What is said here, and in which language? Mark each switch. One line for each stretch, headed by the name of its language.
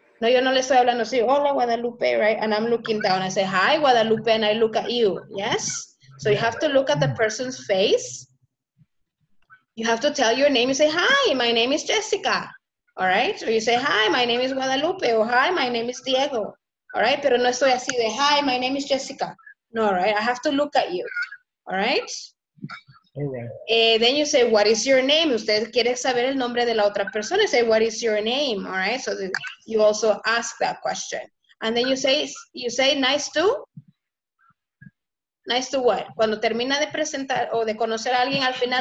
Spanish: No, yo no le estoy hablando así, hola Guadalupe, right?
English: And I'm looking down. I say, hi Guadalupe, and I look at you, yes? So you have to look at the person's face. You have to tell your name. You say, hi, my name is Jessica, all right? Or you say, hi, my name is Guadalupe, or hi, my name is Diego, all right?
Spanish: Pero no estoy así de,
English: hi, my name is Jessica. No, all right, I have to look at you, all right? Then you say, what is your name?
Spanish: Usted quiere saber el nombre de la otra persona.
English: You say, what is your name? All right, so the, you also ask that question. And then you say, nice to what?
Spanish: Cuando termina de presentar o de conocer a alguien, al final